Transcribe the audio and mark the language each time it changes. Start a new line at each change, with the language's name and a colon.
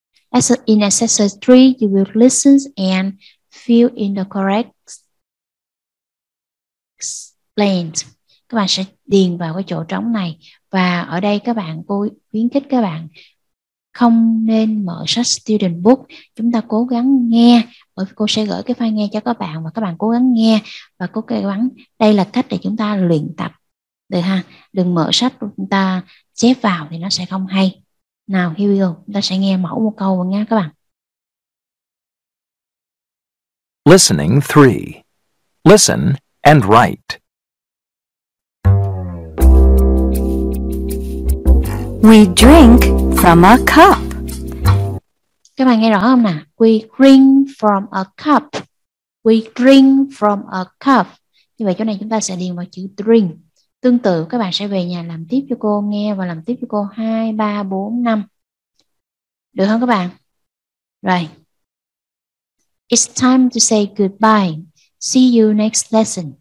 English: As in exercise 3, you will listen and fill in the correct blanks.
Vietnamese: Các bạn sẽ điền vào cái chỗ trống này. Và ở đây các bạn, cô khuyến khích các bạn không nên mở sách student book. Chúng ta cố gắng nghe. Bởi vì cô sẽ gửi cái file nghe cho các bạn và các bạn cố gắng nghe và cố gắng. Đây là cách để chúng ta luyện tập. Được ha? Đừng mở sách chúng ta chép vào thì nó sẽ không hay. Nào,
English: here we go.
Vietnamese: Chúng ta sẽ nghe mẫu một câu và nghe các bạn.
English: Listening 3. Listen and write. We drink from a cup.
Vietnamese: Các bạn nghe rõ không nè?
English: We drink from a cup. We drink from a cup.
Vietnamese: Như vậy chỗ này chúng ta sẽ điền vào chữ drink. Tương tự các bạn sẽ về nhà làm tiếp cho cô nghe và làm tiếp cho cô 2, 3, 4, 5. Được không các bạn? Rồi.
English: It's time to say goodbye. See you next lesson.